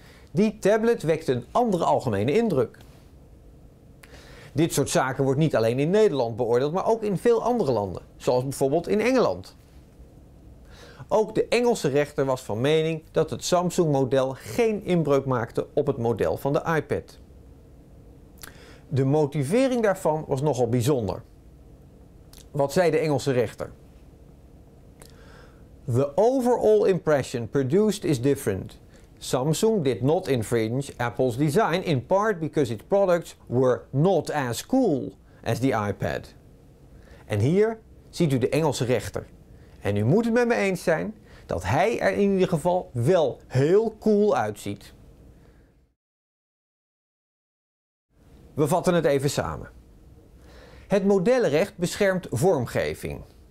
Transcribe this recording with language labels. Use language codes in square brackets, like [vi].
[nl] Die tablet wekt een andere algemene indruk. Dit soort zaken wordt niet alleen in Nederland beoordeeld, maar ook in veel andere landen, zoals bijvoorbeeld in Engeland. Ook de Engelse rechter was van mening dat het Samsung-model geen inbreuk maakte op het model van de iPad. De motivering daarvan was nogal bijzonder. Wat zei de Engelse rechter? [en] The overall impression produced is different. Samsung did not infringe Apple's design in part because its products were not as cool as the iPad. [nl] En hier ziet u de Engelse rechter. En u moet het met me eens zijn dat hij er in ieder geval wel heel cool uitziet. We vatten het even samen. Het modellenrecht beschermt vormgeving.